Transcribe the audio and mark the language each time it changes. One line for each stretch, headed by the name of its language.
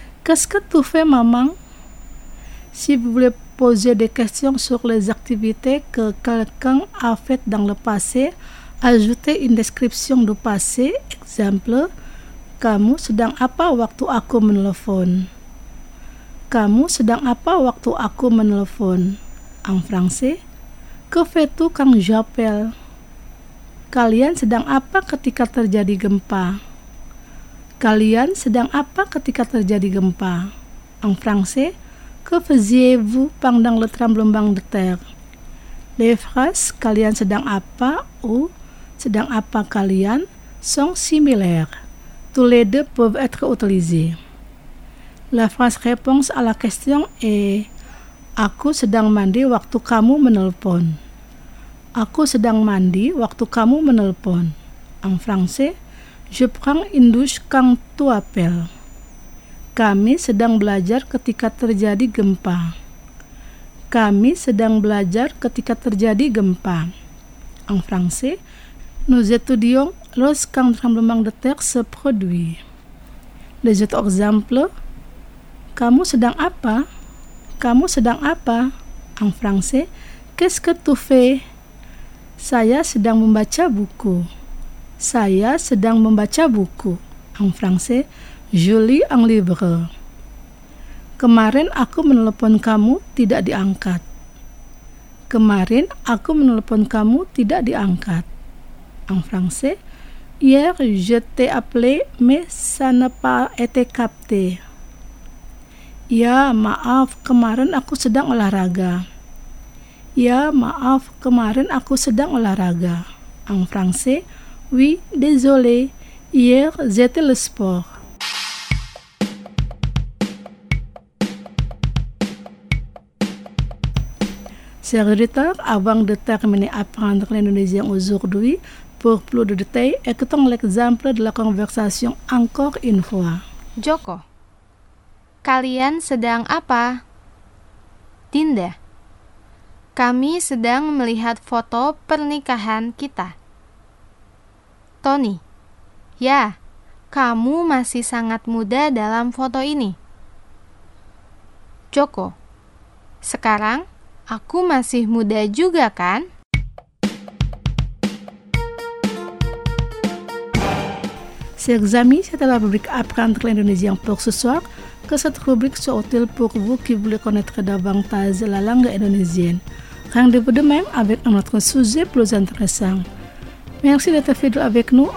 French: qu'est-ce que tu fais, maman? Si vous voulez poser des questions sur les activités que quelqu'un a faites dans le passé, ajoutez une description du passé, exemple,
Indonesian: kamu sedang apa waktu aku menelpon? Kamu sedang apa waktu aku menelpon?
French: En français, que fais-tu quand j'appelle?
Indonesian: Kalian sedang apa ketika terjadi gempa? Kalian sedang apa ketika terjadi gempa?
French: En français, que faisiez-vous pendant le tremblement de terre? Les phrases
Indonesian: kalian sedang apa
French: ou
Indonesian: sedang apa kalian
French: sont similaires. Tous les deux peuvent être utilisés. La phrase réponse à la question est
Indonesian: aku sedang mandi waktu kamu menelpon. Aku sedang mandi waktu kamu menelpon.
French: En français, je prends une douche quand tu appelles.
Indonesian: Kami sedang belajar ketika terjadi gempa. Kami sedang belajar ketika terjadi gempa.
French: En français, nous étudions lorsqu'un tremblement de terre se produit. Les autres exemples.
Indonesian: Kamu sedang apa? Kamu sedang apa?
French: En français, qu'est-ce que tu fais?
Indonesian: Saya sedang membaca buku. Saya sedang membaca buku.
French: En français, je lis un livre.
Indonesian: Kemarin aku menelpon kamu tidak diangkat. Kemarin aku menelpon kamu tidak diangkat.
French: En français, hier je t'ai appelé mais ça n'a pas été capté.
Indonesian: Ya, maaf, kemarin aku sedang olahraga. Ya, maaf, kemarin aku sedang olahraga.
French: En français, oui, désolé, hier j'étais le sport. Chers auditeurs, avant de terminer apprendre l'indonésien aujourd'hui, pour plus de détails, écoutons l'exemple de la conversation encore une fois.
Indonesian: Joko, kalian sedang apa? Dinda, kami sedang melihat foto pernikahan kita. Tony, ya, kamu masih sangat muda dalam foto ini. Joko, sekarang aku masih muda juga kan?
French: Chers amis, c'est la rubrique Apprendre l'indonésien pour ce soir. Que cette rubrique soit utile pour vous qui voulez connaître davantage la langue indonésienne. Rendez-vous demain avec un autre sujet plus intéressant. Merci d'être fidèle avec nous.